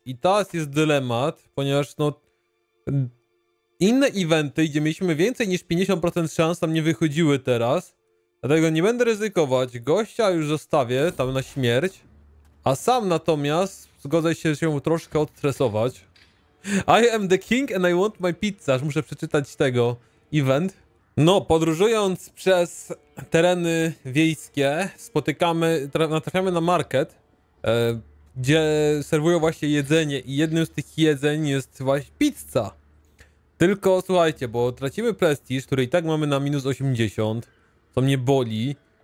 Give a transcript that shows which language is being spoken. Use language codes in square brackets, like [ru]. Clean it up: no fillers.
[pl] I teraz jest dylemat, ponieważ no inne eventy, gdzie mieliśmy więcej niż 50% szans, tam nie wychodziły teraz. Dlatego nie będę ryzykować, gościa już zostawię tam na śmierć. A sam natomiast zgodzę się troszkę odstresować. [en] I am the king and I want my pizza. [pl] Aż muszę przeczytać tego event. No, podróżując przez tereny wiejskie, natrafiamy na market, gdzie serwują właśnie jedzenie i jednym z tych jedzeń jest właśnie pizza. Tylko słuchajcie, bo tracimy prestiż, który i tak mamy na minus 80, co mnie boli.